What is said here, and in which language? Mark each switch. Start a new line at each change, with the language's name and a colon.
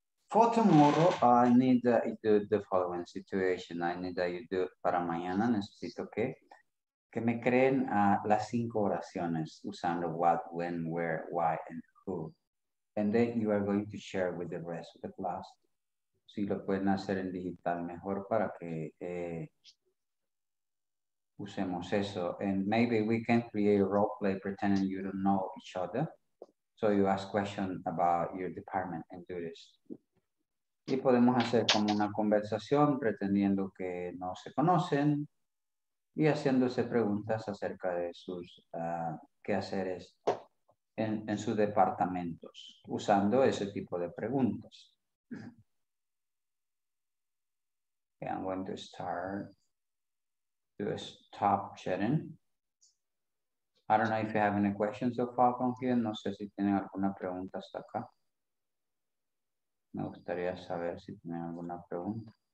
English: For tomorrow, I need that you do the following situation. I need that you do
Spanish: para mañana. Necesito que. Que me creen las 5 oraciones usando what, when, where, why, and who.
English: And then you are going to share with the rest of the class.
Spanish: Si lo pueden hacer en digital mejor para que usemos eso.
English: And maybe we can create a role play pretending you don't know each other. So you ask questions about your department and do this.
Spanish: Y podemos hacer como una conversación pretendiendo que no se conocen. Y haciéndose preguntas acerca de sus quehaceres en sus departamentos, usando ese tipo de preguntas.
English: Okay, I'm going to start to stop sharing. I don't know if you have any questions so far from here.
Spanish: No sé si tienen alguna pregunta hasta acá. Me gustaría saber si tienen alguna pregunta.